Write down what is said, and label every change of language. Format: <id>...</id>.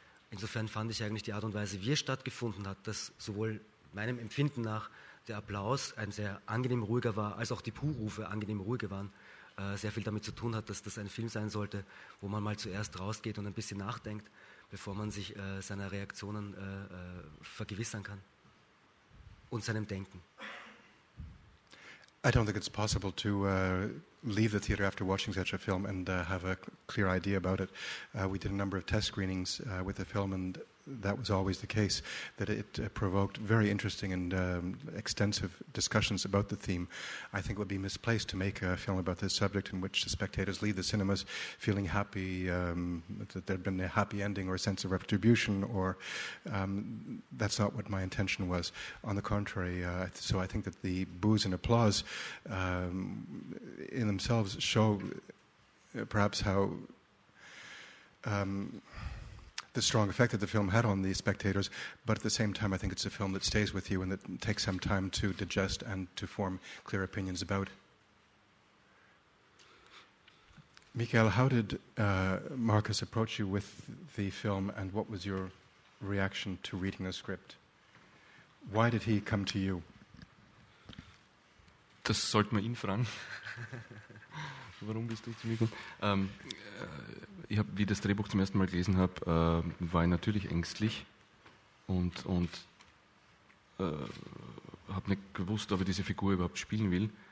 <de>Insofern fand ich eigentlich die Art und Weise, wie es stattgefunden hat, dass sowohl meinem Empfinden nach der Applaus ein sehr angenehm ruhiger war, als auch die Puhrufe angenehm ruhiger waren, sehr viel damit zu tun hat, dass das ein Film sein sollte, wo man mal zuerst rausgeht und ein bisschen nachdenkt, bevor man sich seiner Reaktionen vergewissern kann und seinem Denken.</de> <en>I don't think it's possible to leave the theater after watching such a film and have a clear idea about it. We did a number of test screenings with the film, and that was always the case, that it provoked very interesting and extensive discussions about the theme. I think it would be misplaced to make a film about this subject in which the spectators leave the cinemas feeling happy, that there had been a happy ending or a sense of retribution, or that's not what my intention was. On the contrary, so I think that the boos and applause in themselves show perhaps how the strong effect that the film had on the spectators, but at the same time, I think it's a film that stays with you and that takes some time to digest and to form clear opinions about. Michael, how did Marcus approach you with the film, and what was your reaction to reading the script? Why did he come to you?</en> <de>Das sollte man ihn fragen. Warum bist du zu mir gekommen? Ich habe, wie ich das Drehbuch zum ersten Mal gelesen habe, war ich natürlich ängstlich und habe nicht gewusst, ob ich diese Figur überhaupt spielen will.</de>